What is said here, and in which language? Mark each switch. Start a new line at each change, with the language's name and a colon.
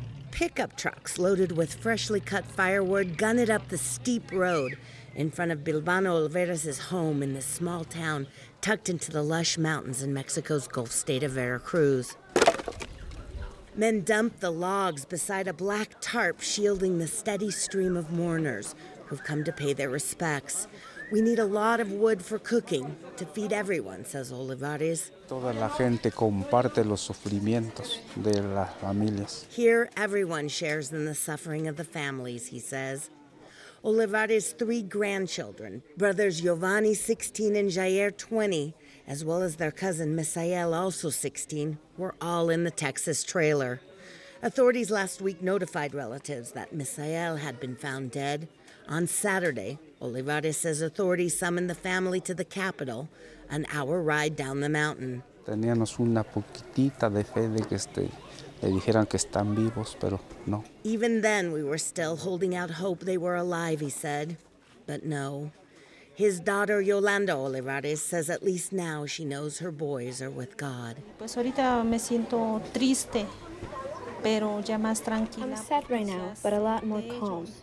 English: Pickup trucks loaded with freshly cut firewood gunned up the steep road in front of Bilbano Olvera's home in this small town tucked into the lush mountains in Mexico's Gulf state of Veracruz. Men dumped the logs beside a black tarp shielding the steady stream of mourners who've come to pay their respects. We need a lot of wood for cooking to feed everyone, says Olivares.
Spanish: Toda la gente comparte los sufrimientos de las familias.
English: Here, everyone shares in the suffering of the families, he says. Olivares' three grandchildren, brothers Giovanni, 16, and Jair, 20, as well as their cousin Misael, also 16, were all in the Texas trailer. Authorities last week notified relatives that Misael had been found dead. On Saturday, Olivares says authorities summoned the family to the capital, an hour ride down the mountain.
Spanish: Teníamos una poquitita de fe de que le dijeran que están vivos, pero no.
English: Even then, we were still holding out hope they were alive, he said. But no. His daughter, Yolanda Olivares, says at least now she knows her boys are with God. I'm sad right now, but a lot more calm.